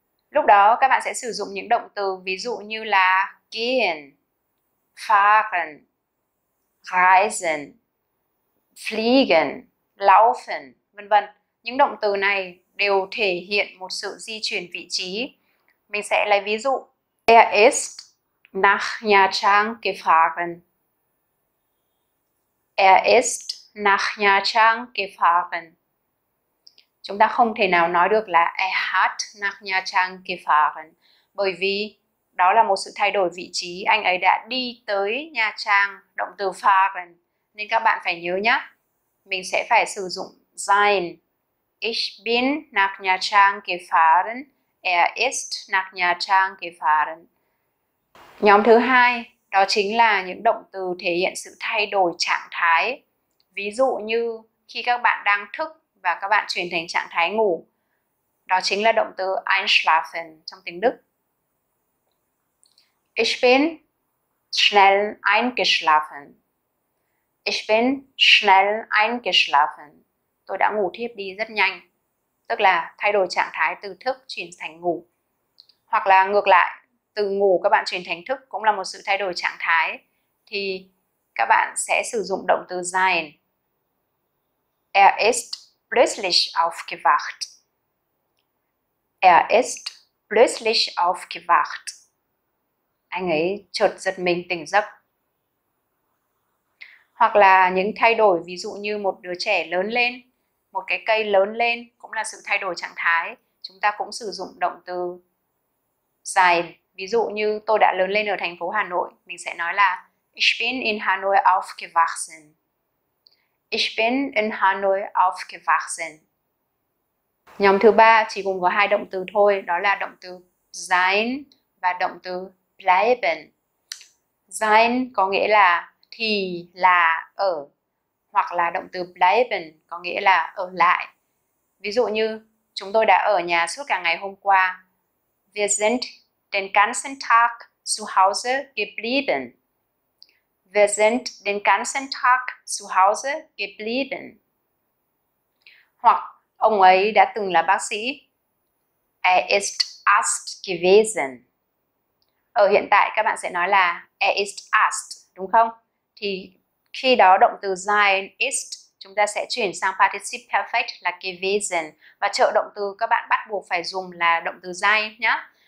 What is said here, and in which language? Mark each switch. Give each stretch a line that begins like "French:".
Vietnamese: Lúc đó các bạn sẽ sử dụng những động từ ví dụ như là gehen, fahren, reisen, fliegen, laufen, vân vân. Những động từ này đều thể hiện một sự di chuyển vị trí. Mình sẽ lấy ví dụ.
German: Ist nach Nha Trang gefahren. Ist nach Nha Trang gefahren.
Vietnamese: Chúng ta không thể nào nói được là
German: hat nach Nha Trang gefahren,
Vietnamese: bởi vì đó là một sự thay đổi vị trí. Anh ấy đã đi tới Nha Trang, động từ fahren. Nên các bạn phải nhớ nhé, mình sẽ phải sử dụng sein.
German: Ich bin nach Nha Trang gefahren. Ist nach Nha Trang gefahren.
Vietnamese: Nhóm thứ hai đó chính là những động từ thể hiện sự thay đổi trạng thái. Ví dụ như khi các bạn đang thức và các bạn chuyển thành trạng thái ngủ. Đó chính là động từ einschlafen trong tiếng Đức.
German: Ich bin schnell eingeschlafen. Ich bin schnell eingeschlafen.
Vietnamese: Tôi đã ngủ thiếp đi rất nhanh. Tức là thay đổi trạng thái từ thức chuyển thành ngủ. Hoặc là ngược lại, từ ngủ các bạn chuyển thành thức cũng là một sự thay đổi trạng thái. Thì các bạn sẽ sử dụng động từ sein.
German: Ist plötzlich aufgewacht. Ist plötzlich aufgewacht.
Vietnamese: Anh ấy chợt giật mình tỉnh giấc. Hoặc là những thay đổi ví dụ như một đứa trẻ lớn lên, một cái cây lớn lên cũng là sự thay đổi trạng thái. Chúng ta cũng sử dụng động từ sein. Ví dụ như tôi đã lớn lên ở thành phố Hà Nội, mình sẽ nói là
German: Ich bin in Hanoi aufgewachsen. Ich bin in Hanoi aufgewachsen.
Vietnamese: Nhóm thứ ba chỉ gồm có hai động từ thôi, đó là động từ sein và động từ bleiben. Sein có nghĩa là thì là ở, hoặc là động từ bleiben có nghĩa là ở lại. Ví dụ như chúng tôi đã ở nhà suốt cả ngày hôm qua.
German: Wir sind den ganzen Tag zu Hause geblieben. Wir sind den ganzen Tag zu Hause geblieben.
Vietnamese: Hoặc ông ấy đã từng là bác sĩ.
German: Ist Arzt gewesen.
Vietnamese: Ở hiện tại các bạn sẽ nói là
German: ist Arzt,
Vietnamese: đúng không? Thì Khi đó động từ sein ist chúng ta sẽ chuyển sang participle perfect là gewesen, và trợ động từ các bạn bắt buộc phải dùng là động từ sein nhá.